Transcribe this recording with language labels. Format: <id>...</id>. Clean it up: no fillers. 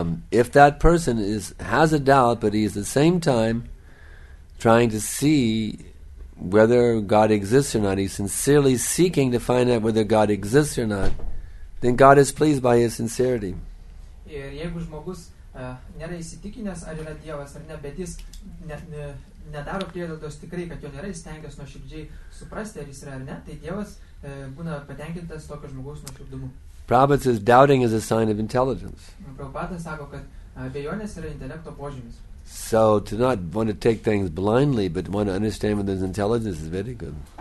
<en>If that person has a doubt, but he's at the same time trying to see whether God exists or not, he's sincerely seeking to find out whether God exists or not, then God is pleased by his sincerity.</en> <lt>Ir jeigu žmogus nėra įsitikinęs, ar yra Dievas ar ne, bet jis nedaro prielaidos tikrai, kad jo nėra, jis stengias nuoširdžiai suprasti, ar jis yra ar ne, tai Dievas būna patenkintas tokio žmogaus nuoširdumu.</lt> <en>Prabhupada says doubting is a sign of intelligence.</en> <lt>Prabhupada sako, kad abejonės yra intelekto požymis.</lt> <en>So to not want to take things blindly, but want to understand when there's intelligence is very good.</en>